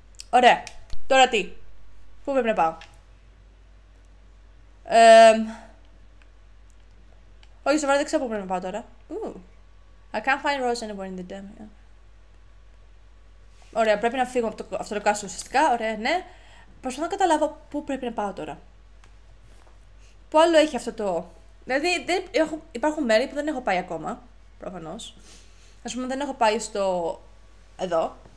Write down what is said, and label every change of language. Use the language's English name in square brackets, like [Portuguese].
[Greek] Ωραία, τώρα τι. Πού πρέπει να πάω. Όχι, σοβαρά δεν ξέρω πού πρέπει να πάω τώρα. [English] I can't find Rose anywhere in the dam. [Greek] Ωραία, πρέπει να φύγω από αυτό το κάστρο ουσιαστικά, ωραία, ναι. Προσπαθώ να καταλάβω πού πρέπει να πάω τώρα. Πού άλλο έχει αυτό το... Δηλαδή υπάρχουν μέρη που δεν έχω πάει ακόμα, προφανώς. Ας πούμε δεν έχω πάει στο... εδώ.